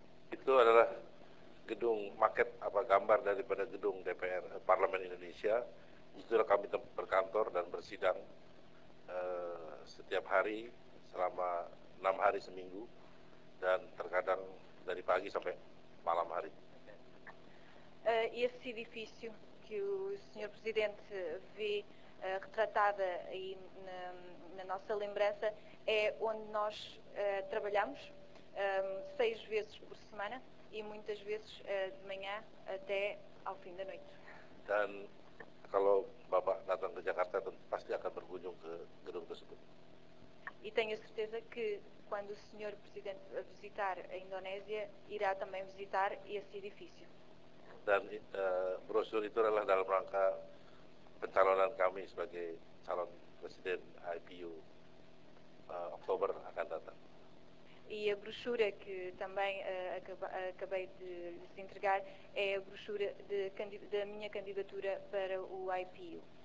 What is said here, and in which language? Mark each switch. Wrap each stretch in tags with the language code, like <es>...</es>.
<id>Itu adalah gedung maket apa gambar daripada gedung DPR Parlemen Indonesia. Itulah kami berkantor dan bersidang setiap hari selama 6 hari seminggu dan terkadang dari pagi sampai malam hari.</id> <pt>Esse edifício que o senhor presidente vê retratada aí na nossa lembrança é onde nós trabalhamos 6 vezes por semana e muitas vezes de manhã até ao fim da noite.</pt> <id>Dan kalau Bapak datang ke Jakarta pasti akan berkunjung ke gedung tersebut.</id> <pt>E tenho certeza que quando o senhor presidente visitar a Indonésia irá também visitar esse edifício.</pt> <id>Dan brosur itu adalah dalam rangka pencalonan kami sebagai calon presiden IPU Oktober akan datang.</id> <pt>E a brochura que também acabei de lhes entregar é a brochura da minha candidatura para o IPU.</pt>